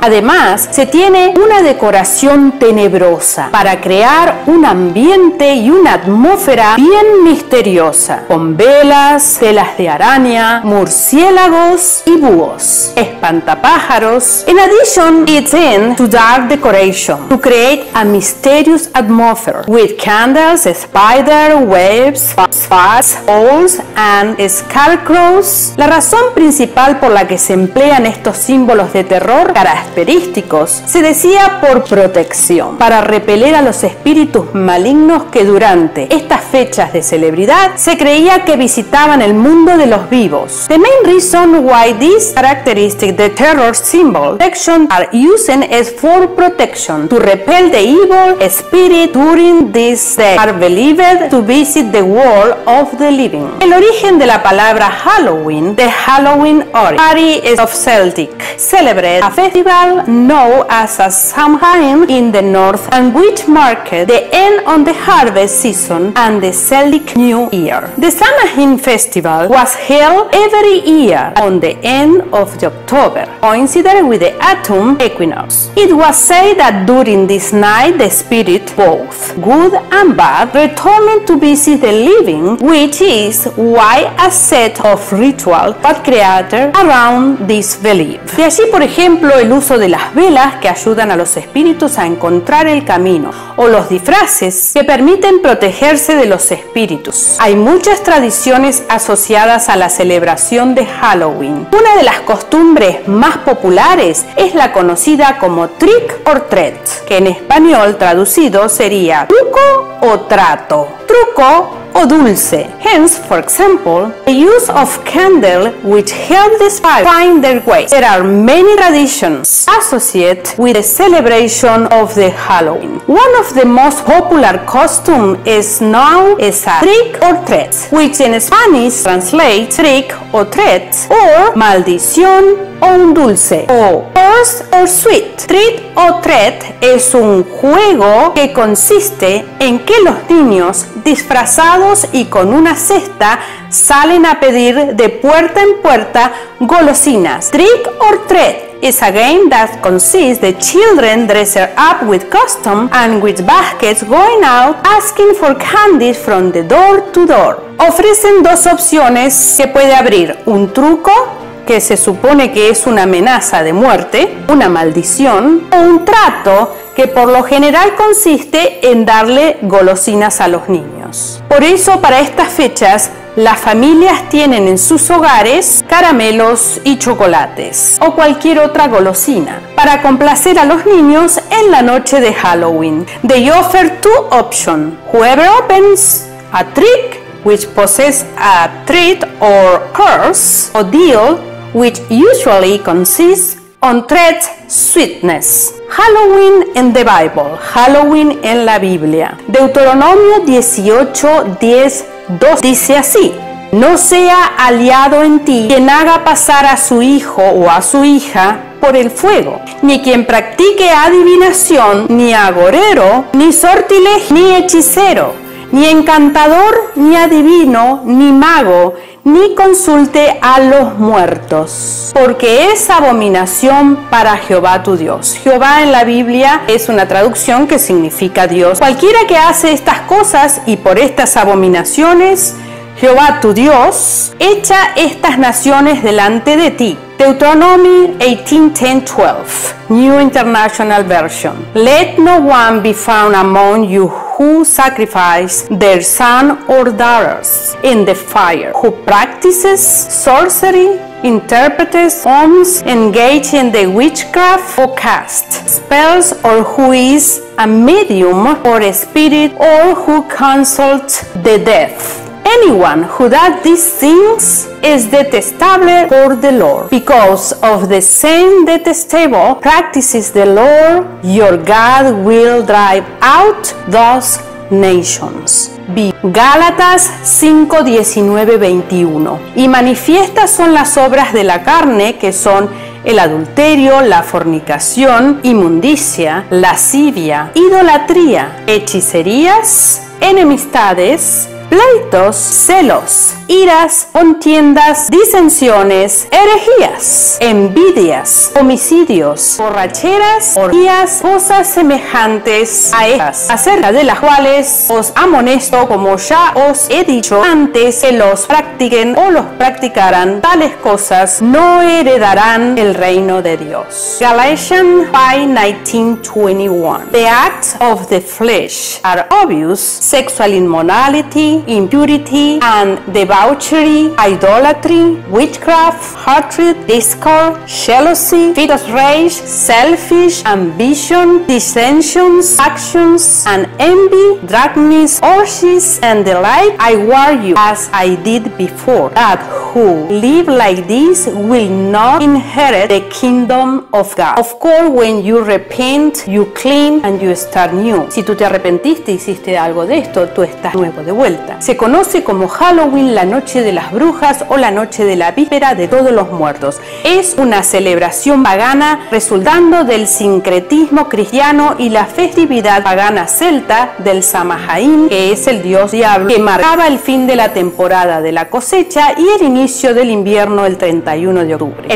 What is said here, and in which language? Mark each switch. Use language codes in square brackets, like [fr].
[es] Además, se tiene una decoración tenebrosa para crear un ambiente y una atmósfera bien misteriosa, con velas, telas de araña, murciélagos y búhos, espantapájaros. [en] In addition, it's in to dark decoration to create a mysterious atmosphere with candles, spider webs, fuzz, owls and scarecrows. [es] La razón principal por la que se emplean estos símbolos de terror característicos, se decía por protección, para repeler a los espíritus malignos que durante estas fechas de celebridad se creía que visitaban el mundo de los vivos. [en] The main reason why this characteristic, the terror symbol, protection are using is for protection, to repel the evil spirit during this day, are believed to visit the world of the living. [es] El origen de la palabra Halloween, [en] the Halloween origin, of Celtic, celebrate a festival known as a Samhain in the north and which marked the end of the harvest season and the Celtic New Year. The Samhain festival was held every year on the end of the October, coincided with the autumn equinox. It was said that during this night the spirit, both good and bad, returned to visit the living, which is why a set of rituals was created around this belief. [es] De allí, por ejemplo, el uso de las velas que ayudan a los espíritus a encontrar el camino, o los disfraces que permiten protegerse de los espíritus. Hay muchas tradiciones asociadas a la celebración de Halloween. Una de las costumbres más populares es la conocida como trick or treat, que en español traducido sería truco o trato. Truco o dulce. [en] Hence, for example, the use of candle which help the spirit find their way. There are many traditions associated with the celebration of the Halloween. One of the most popular costume is now is a trick or treat, which in Spanish translates trick or treat or [es] maldición o un dulce, [en] o curse or sweet. [es] Trick or treat es un juego que consiste en que los niños disfrazados y con una cesta salen a pedir de puerta en puerta golosinas. [en] Trick or treat is a game that consists the children dressed up with costume and with baskets going out asking for candies from the door to door. [es] Ofrecen dos opciones que puede abrir: un truco, que se supone que es una amenaza de muerte, una maldición, o un trato, que por lo general consiste en darle golosinas a los niños. Por eso, para estas fechas, las familias tienen en sus hogares caramelos y chocolates o cualquier otra golosina para complacer a los niños en la noche de Halloween. [en] They offer two options. Whoever opens a trick which possesses a treat or curse, o deal, which usually consists Untreat Sweetness. Halloween in the Bible. [es] Halloween en la Biblia. Deuteronomio 18:10-2 dice así: No sea aliado en ti quien haga pasar a su hijo o a su hija por el fuego, ni quien practique adivinación, ni agorero, ni sortilegio, ni hechicero, ni encantador, ni adivino, ni mago, ni consulte a los muertos, porque es abominación para Jehová tu Dios. Jehová en la Biblia es una traducción que significa Dios. Cualquiera que hace estas cosas y por estas abominaciones, Jehová tu Dios echa estas naciones delante de ti. Deuteronomio 18:10-12, New International Version. [en] Let no one be found among you who sacrifice their son or daughters in the fire, who practices sorcery, interprets omens, engage in the witchcraft or cast spells, or who is a medium or a spirit, or who consults the deaf. Anyone who does these things is detestable for the Lord, because of the same detestable practices the Lord your God will drive out those nations. [es] B. Gálatas 5:19-21. Y manifiestas son las obras de la carne, que son el adulterio, la fornicación, inmundicia, lascivia, idolatría, hechicerías, enemistades, pleitos, celos, iras, contiendas, disensiones, herejías, envidias, homicidios, borracheras, orgías, cosas semejantes a estas, acerca de las cuales os amonesto, como ya os he dicho antes, que los practiquen o los practicarán, tales cosas no heredarán el reino de Dios. [en] Galatians 5:19-21. The acts of the flesh are obvious: sexual immorality, impurity and debauchery, idolatry, witchcraft, hatred, discord, jealousy, fit of rage, selfish ambition, dissensions, factions, and envy, drunkenness, orgies, and the like. I warn you, as I did before, that who live like this will not inherit the kingdom of God. Of course, when you repent, you clean and you start new. [es] Si tú te arrepentiste y hiciste algo de esto, tú estás nuevo de vuelta. Se conoce como Halloween, la noche de las brujas o la noche de la víspera de todos los muertos. Es una celebración pagana resultando del sincretismo cristiano y la festividad pagana celta del Samhain, que es el dios diablo, que marcaba el fin de la temporada de la cosecha y el inicio del invierno el 31 de octubre.